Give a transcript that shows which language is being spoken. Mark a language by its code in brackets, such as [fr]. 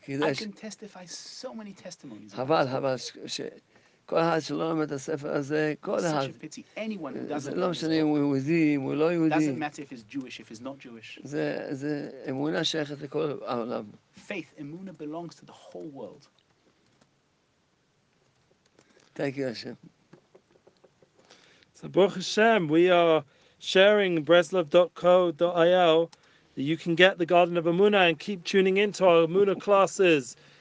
[en] I can testify so many testimonies. [he] חבל, כל אחד שלא לומד את הספר הזה, כל אחד. [en] Such a pity, anyone who doesn't. [he] לא משנה אם הוא יהודי, אם הוא לא יהודי. [en] Doesn't matter if he's Jewish, if he's not Jewish. [he] זה אמונה שייכת לכל העולם. [en] Faith, emuna belongs to the whole world. Thank you, Hashem. So, Baruch Hashem, we are sharing breslov.co.il that you can get the Garden of Emuna and keep tuning into our Emuna classes.